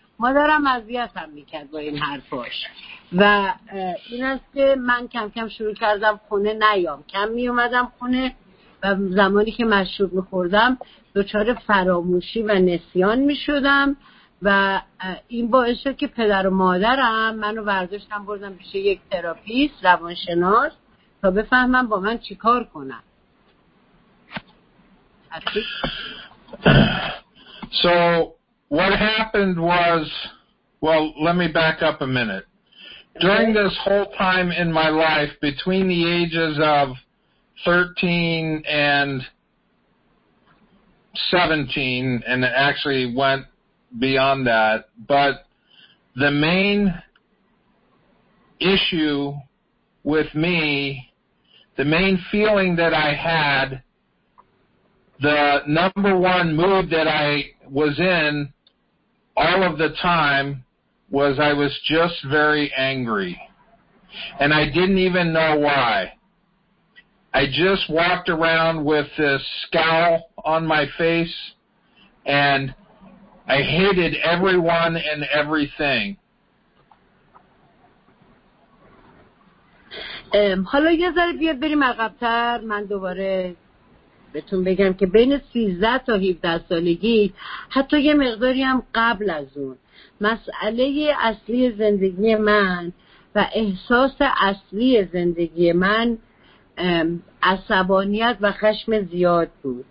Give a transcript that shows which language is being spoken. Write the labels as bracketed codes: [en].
[fa] مادرم اذیتم میکرد با این حرفاش و این است که من کم کم شروع کردم خونه نیام، کم میومدم خونه و زمانی که مشروب میخوردم دچار فراموشی و نسیان میشدم و این باعث شد که پدر و مادرم منو برداشتن بردم پیش یک تراپیست روانشناس تا بفهمم با من چی کار کنم. [en] So what happened was, well, let me back up a minute. During this whole time in my life, between the ages of 13 and 17, and it actually went beyond that, but the main issue with me, the main feeling that I had, the number one mood that I was in all of the time was I was just very angry. And I didn't even know why. I just walked around with this scowl on my face and I hated everyone and everything. [fa] حالا یه ذره بیا بریم عقب‌تر. من دوباره بهتون بگم که بین 13 تا 17 سالگی، حتی یه مقداری هم قبل از اون، مسئله اصلی زندگی من و احساس اصلی زندگی من عصبانیت و خشم زیاد بود.